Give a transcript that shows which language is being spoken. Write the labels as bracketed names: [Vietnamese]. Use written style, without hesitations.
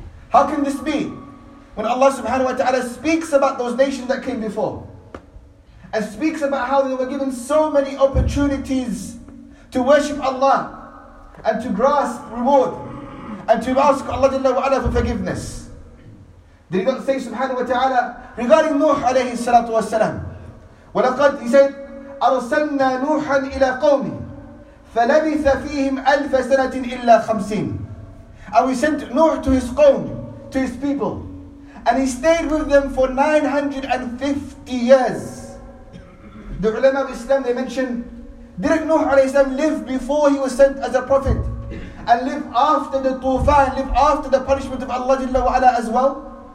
[English] How can this be when Allah subhanahu wa ta'ala speaks about those nations that came before and speaks about how they were given so many opportunities to worship Allah and to grasp reward and to ask Allah jalla wa ala for forgiveness? Did he not say subhanahu wa ta'ala regarding Nuh alayhi salatu wa salam? [Arabic] وَلَقَدْ [English] he said, [Arabic] أَرْسَلْنَا نُوحًا إِلَىٰ قَوْمِ فَلَبِثَ فِيهِمْ أَلْفَ سَنَةٍ إِلَّا خَمْسِينَ. [English] And we sent Nuh to his قوم, to his people, and he stayed with them for 950 years. The ulama of Islam, they mention, didn't Nuh alayhi salam live before he was sent as a prophet and live after the tufan, live after the punishment of Allah jalla wa ala as well?